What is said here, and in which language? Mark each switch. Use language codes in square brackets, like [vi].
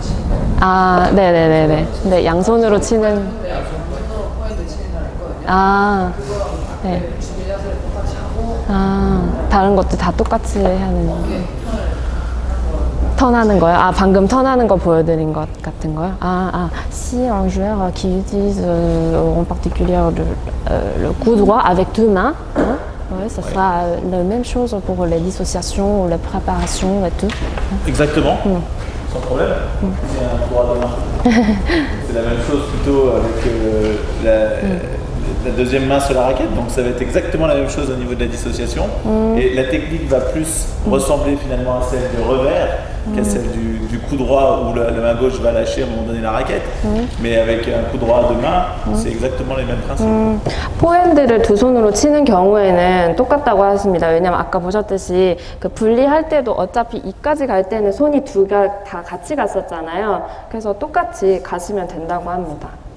[ko] 치는 거예요. 아 네네네네 네 양손으로 치는 양손으로 포인트 치는 거 아 네 준비 자세를 똑같이 하고 아 다른 것도 다 똑같이 하는 거 턴하는 거요? 아 방금 턴하는 거 보여드린 것 같은 거요? [fr] si un joueur qui utilise en particulier le coup droit avec deux mains, ouais, ça sera la même chose pour les dissociations, la préparation et tout. Exactement. Sans problème. Si un coup droit, c'est la même chose plutôt avec la deuxième main sur la raquette. Donc ça va être exactement la même chose au niveau de la dissociation. Et la technique va plus ressembler finalement à celle du revers. Qu'à celle du coup droit où la main gauche va lâcher à un moment donné la raquette. Mais avec un coup droit à deux mains, c'est exactement les mêmes principes. [ko] 포핸드를 두 손으로 치는 경우에는 똑같다고 하십니다. 왜냐면 아까 보셨듯이 그 분리할 때도 어차피 이까지 갈 때는 손이 두 개 다 같이 갔었잖아요. 그래서 똑같이 가시면 된다고 합니다.